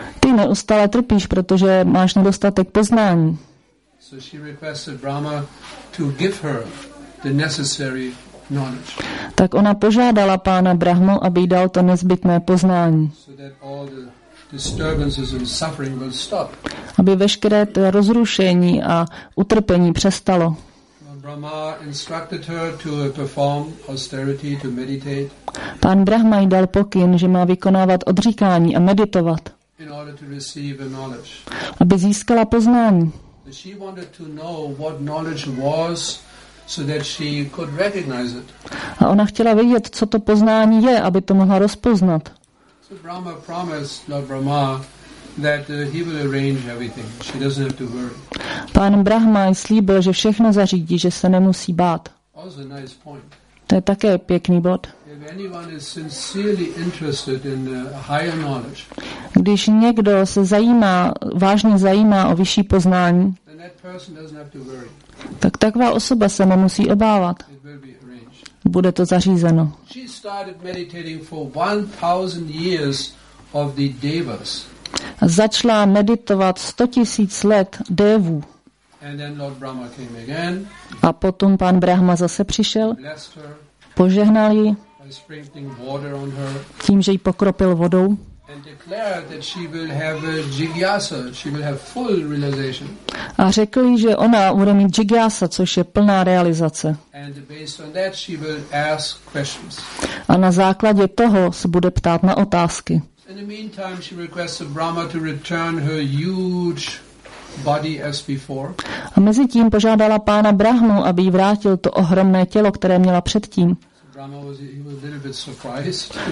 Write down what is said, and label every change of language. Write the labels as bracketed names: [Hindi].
[Czech] Ty neustále trpíš, protože máš nedostatek poznání. [English] So she requested Brahma to give her the necessary knowledge. [Czech] Tak ona požádala pána Brahmu, aby jí dal to nezbytné poznání. [English] So that all the disturbances and suffering will stop. [Czech] Aby veškeré to rozrušení a utrpení přestalo. [English] Brahma instructed her to perform austerity, to meditate. [Czech] Pán Brahma jí dal pokyn, že má vykonávat odříkání a meditovat. [English] In order to receive a knowledge. [Czech] Aby získala poznání. [English] She wanted to know what knowledge was, so that she could recognize it. [Czech] A ona chtěla vědět, co to poznání je, aby to mohla rozpoznat. [English] So Brahma promised Lord Brahma that he will arrange everything. She doesn't have to worry. [Czech] Pán Brahma jí slíbil, že všechno zařídí, že se nemusí bát. [English] Also nice point. [Czech] To je také pěkný bod. [English] If anyone is sincerely interested in higher knowledge, [Czech] když někdo se zajímá, vážně zajímá o vyšší poznání, [English] then that person doesn't have to worry. [Czech] Tak taková osoba se nemusí obávat. [English] It will be arranged. [Czech] Bude to zařízeno. [English] She started meditating for 1,000 years of the devas. [Czech] Začala meditovat 100 000 let dévů. [English] And then Lord Brahma came again. [Czech] A potom pán Brahma zase přišel. [English] Blessed her. [Czech] Požehnal ji. [English] By sprinkling water on her. [Czech] Tím, že ji pokropil vodou. [English] And declared that she will have a jigyasa. She will have full realization. [Czech] A řekl jí, že ona bude mít jigyasa, což je plná realizace. [English] And based on that she will ask questions. [Czech] A na základě toho se bude ptát na otázky. [English] In the meantime, she requests Brahma to return her huge body as before. [Czech] A mezi tím požádala pána Brahmu, aby jí vrátil to ohromné tělo, které měla předtím. [English] So Brahma was a little bit surprised.